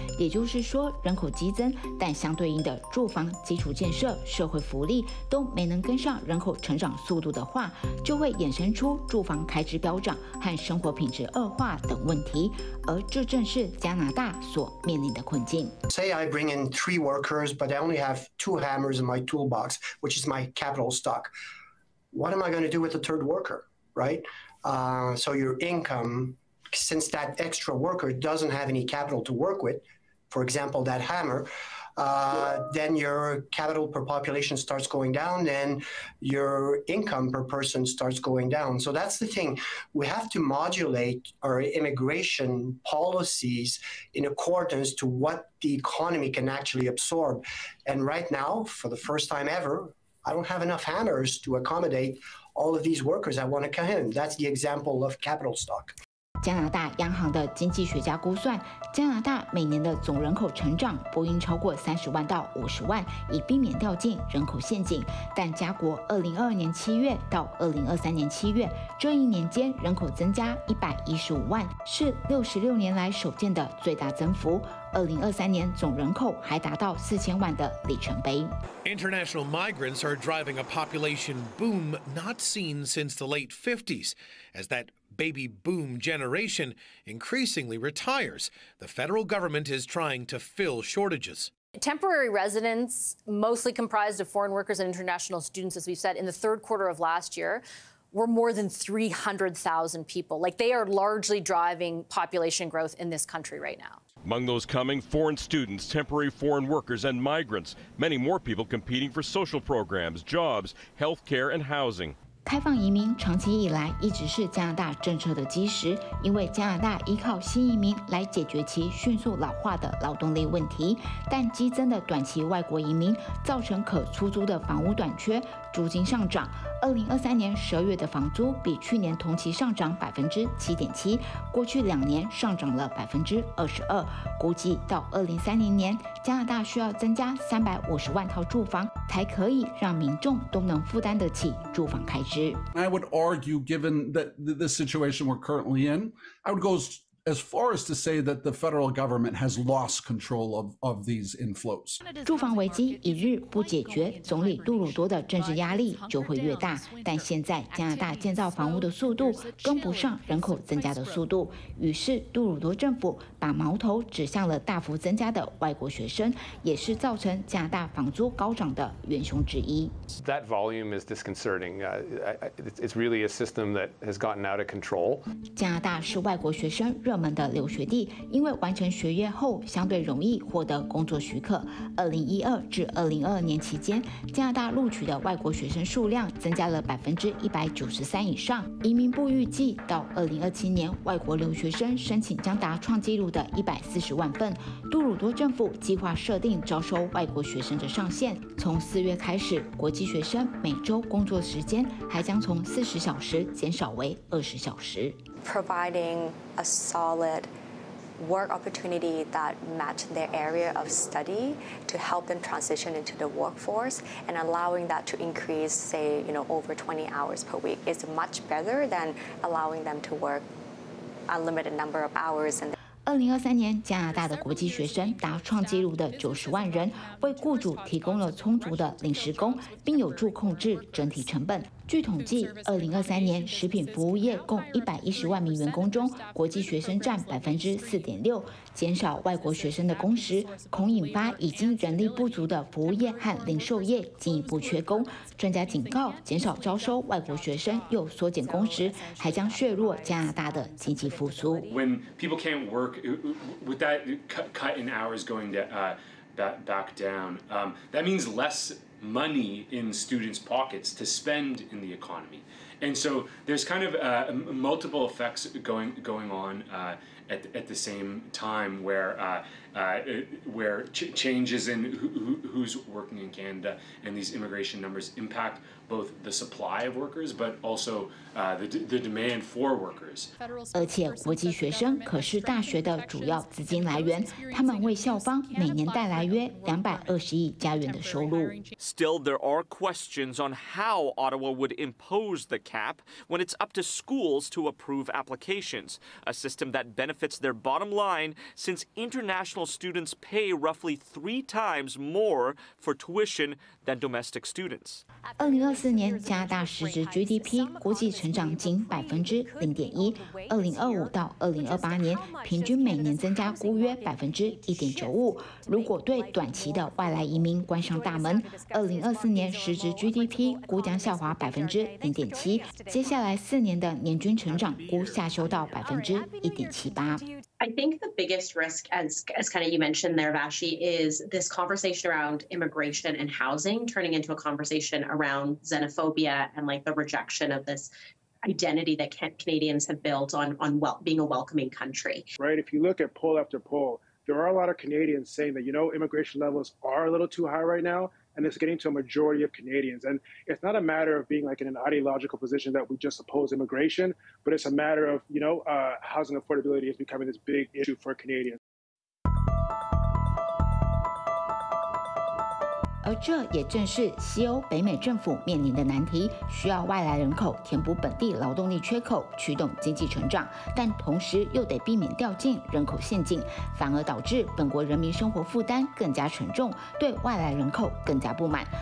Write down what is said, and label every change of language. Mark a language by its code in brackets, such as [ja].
[zh] 也就是说，人口激增，但相对应的住房、基础建设、社会福利都没能跟上人口成长速度的话，就会衍生出住房开支飙涨和生活品质恶化等问题，而这正是加拿大所面临的困境。 [en] Say I bring in three workers, but I only have two hammers in my toolbox, which is my capital stock. What am I going to do with the third worker, right? So your income, since that extra worker doesn't have any capital to work with, for example, that hammer, then your capital per population starts going down, then your income per person starts going down. So that's the thing. We have to modulate our immigration policies in accordance to what the economy can actually absorb. And right now, for the first time ever, I don't have enough hammers to accommodate all of these workers I want to come in. That's the example of capital stock. [zh] 加拿大央行的经济学家估算，加拿大每年的总人口成长不应超过30万到50万，以避免掉进人口陷阱。但加国2022年7月到2023年7月这一年间，人口增加115万，是66年来首见的最大增幅。 2023年总人口还达到4000万的里程碑。 [en] International migrants are driving a population boom not seen since the late 50s, as that. Baby boom generation increasingly retires. The federal government is trying to fill shortages. Temporary residents, mostly comprised of foreign workers and international students, as we've said, in the third quarter of last year, were more than 300,000 people. Like, they are largely driving population growth in this country right now. Among those coming, foreign students, temporary foreign workers, and migrants, many more people competing for social programs, jobs, health care, and housing. [zh] 开放移民长期以来一直是加拿大政策的基石，因为加拿大依靠新移民来解决其迅速老化的劳动力问题。但激增的短期外国移民造成可出租的房屋短缺，租金上涨。 2023年12月的房租比去年同期上涨7.7%，过去两年上涨了22%。估计到2030年，加拿大需要增加350万套住房，才可以让民众都能负担得起住房开支。 [en] I would argue, given that the situation we're currently in, I would go as far as to say that the federal government has lost control of these inflows. [zh] 住房危机一日不解决，总理杜鲁多的政治压力就会越大。但现在加拿大建造房屋的速度跟不上人口增加的速度，于是杜鲁多政府把矛头指向了大幅增加的外国学生，也是造成加拿大房租高涨的元凶之一。 [en] That volume is disconcerting. It's really a system that has gotten out of control. [zh] 加拿大是外国学生热门的留学地，因为完成学业后相对容易获得工作许可。 2012至2022年期间，加拿大录取的外国学生数量增加了193%以上。移民部预计到2027年，外国留学生申请将达创纪录的140万份。杜鲁多政府计划设定招收外国学生的上限，从4月开始，国际学生每周工作时间还将从40小时减少为20小时。 [en] Providing a solid work opportunity that match their area of study to help them transition into the workforce and allowing that to increase, say, you know, over 20 hours per week is much better than allowing them to work unlimited number of hours. [zh] 2023年加拿大的国际学生达创纪录的90万人，为雇主提供了充足的临时工，并有助控制整体成本。据统计，2023年食品服务业共110万名员工中，国际学生占4.6%，减少外国学生的工时，恐引发已经人力不足的服务业和零售业进一步缺工。专家警告，减少招收外国学生又缩减工时，还将削弱加拿大的经济复苏。 [en] When people can't work, with that cut in hours going back down, that means less. Money in students' pockets to spend in the economy. And so there's kind of multiple effects going on at the same time where changes in who's working in Canada and these immigration numbers impact both the supply of workers, but also the demand for workers. [zh] 而且国际学生可是大学的主要资金来源，他们为校方每年带来约220亿加元的收入。 [en] Still, there are questions on how Ottawa would impose the cap when it's up to schools to approve applications, a system that benefits their bottom line since international students pay roughly 3 times more for tuition than domestic students. [zh] 2024年加拿大实质 GDP 估计成长仅0.1%，2025到2028年平均每年增加估约1.95%。如果对短期的外来移民关上大门，2024年实质 GDP 估将下滑0.7%，接下来4年的年均成长估下修到1.78%。 [en] I think the biggest risk, as kind of you mentioned there, Vashi, is this conversation around immigration and housing turning into a conversation around xenophobia and like the rejection of this identity that Canadians have built on being a welcoming country. Right. If you look at poll after poll, there are a lot of Canadians saying that, you know, immigration levels are a little too high right now. And it's getting to a majority of Canadians. And it's not a matter of being like in an ideological position that we just oppose immigration, but it's a matter of, you know, housing affordability is becoming this big issue for Canadians. [zh] 而这也正是西欧北美政府面临的难题，需要外来人口填补本地劳动力缺口，驱动经济成长，但同时又得避免掉进人口陷阱，反而导致本国人民生活负担更加沉重，对外来人口更加不满。